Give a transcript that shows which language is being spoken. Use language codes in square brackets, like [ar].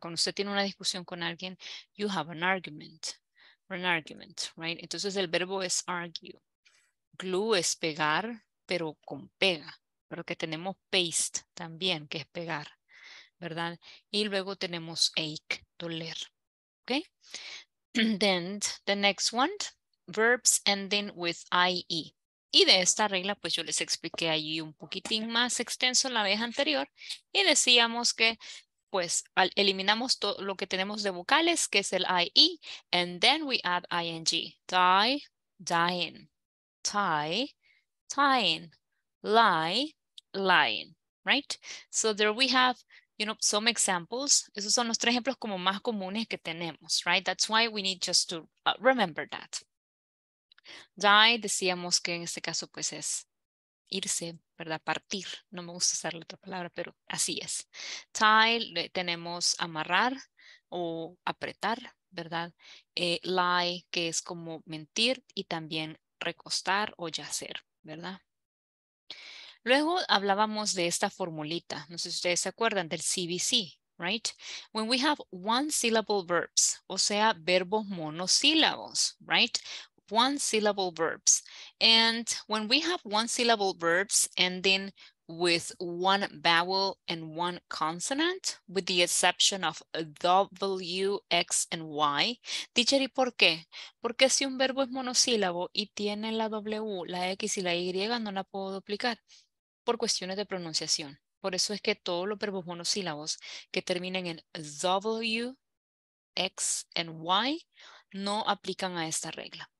[es] Cuando usted tiene una discusión con alguien, [en] you have an argument, or an argument, [es] right? Entonces el verbo es argue. Glue es pegar, pero con pega, pero que tenemos paste también, que es pegar, ¿verdad? Y luego tenemos ache, doler, ¿ok? [en] Then, the next one, verbs ending with IE. [es] Y de esta regla, pues yo les expliqué allí un poquitín más extenso la vez anterior y decíamos que, pues, eliminamos todo lo que tenemos de vocales, que es el IE, [en] and then we add ING, die, dying, tie, tying, lie, lying, [es] right? [en] So there we have, you know, some examples. [es] Esos son los tres ejemplos como más comunes que tenemos, right? [en] That's why we need just to remember that. [es] Die, decíamos que en este caso pues es irse, ¿verdad? Partir. No me gusta usar la otra palabra, pero así es. Tie, tenemos amarrar o apretar, ¿verdad? Lie, que es como mentir y también recostar o yacer, ¿verdad? Luego hablábamos de esta formulita. No sé si ustedes se acuerdan del CVC, right? [en] When we have one syllable verbs, [es] o sea, verbos monosílabos, [en] right? One syllable verbs. And when we have one syllable verbs ending with one vowel and one consonant, with the exception of W, X, and Y. [es] Teacher, ¿y por qué? Porque si un verbo es monosílabo y tiene la W, la X y la Y, no la puedo duplicar. Por cuestiones de pronunciación. Por eso es que todos los verbos monosílabos que terminen en W, X, and Y no aplican a esta regla.